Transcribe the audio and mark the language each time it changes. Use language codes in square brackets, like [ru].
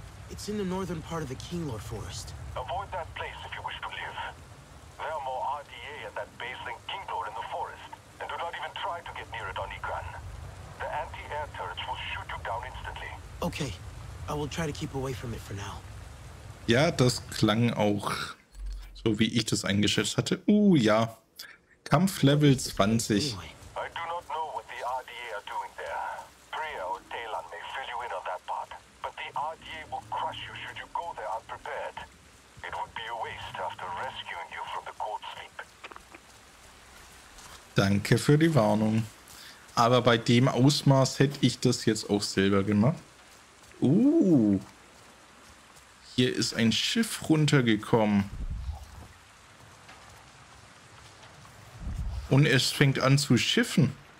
[en] It's in the northern part of the Kinglord Forest. Avoid that place if you wish to live. There are more RDA at that base than Kinglord in the forest. And do not even try to get near it on Ikran. The anti-air turrets will shoot you down instantly. Okay, I will try to keep away from it for now. [de] Ja, das klang auch so, wie ich das eingeschätzt hatte. Ja. Kampflevel 20. [en] I do not know what the RDA are doing there. Priya or Talon may fill you in on that part. But the RDA will crush you should you go there unprepared. It would be a waste after rescuing you from the cold sleep. [de] Danke für die Warnung. Aber bei dem Ausmaß hätte ich das jetzt auch selber gemacht. Hier ist ein Schiff runtergekommen. Und es fängt an zu schiffen.